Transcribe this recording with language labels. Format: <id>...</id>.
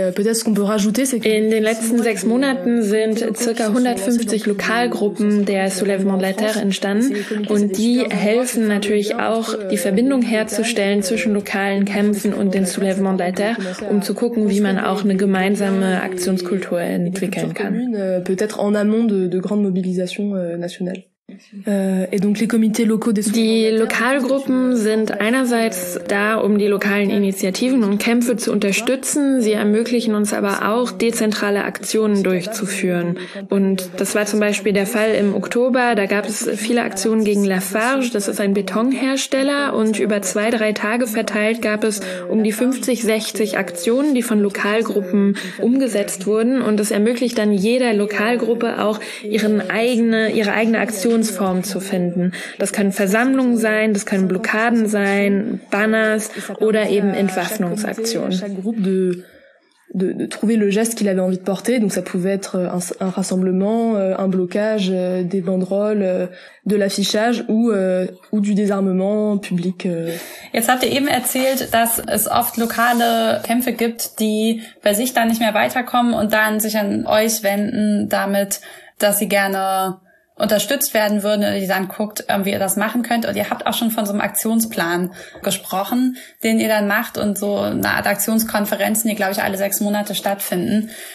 <de>In den letzten 6 Monaten sind ca. 150 Lokalgruppen der Soulèvement de la Terre entstanden und die helfen natürlich auch, die Verbindung herzustellen zwischen lokalen Kämpfen und den Soulèvement de la Terre, um zu gucken, wie man auch eine gemeinsame Aktionskultur entwickeln kann.</de> <fr>Peut-être en amont de grande mobilisation nationale.</fr> <de>Die Lokalgruppen sind einerseits da, um die lokalen Initiativen und Kämpfe zu unterstützen. Sie ermöglichen uns aber auch, dezentrale Aktionen durchzuführen. Und das war zum Beispiel der Fall im Oktober. Da gab es viele Aktionen gegen Lafarge. Das ist ein Betonhersteller. Und über 2-3 Tage verteilt gab es um die 50-60 Aktionen, die von Lokalgruppen umgesetzt wurden. Und das ermöglicht dann jeder Lokalgruppe auch ihre eigene Aktion zu finden. Das können Versammlungen sein, das können Blockaden sein, Banners oder eben Entwaffnungsaktionen.</de> <fr>De trouver le geste qu'il avait envie de porter, donc ça pouvait être un rassemblement, un blocage, des banderoles, de l'affichage ou du désarmement public.</fr> <de>Jetzt habt ihr eben erzählt, dass es oft lokale Kämpfe gibt, die bei sich dann nicht mehr weiterkommen und dann sich an euch wenden, damit, dass sie gerne unterstützt werden würden und die dann guckt, wie ihr das machen könnt. Und ihr habt auch schon von so einem Aktionsplan gesprochen, den ihr dann macht und so eine Art Aktionskonferenzen, die, glaube ich, alle 6 Monate stattfinden.</de>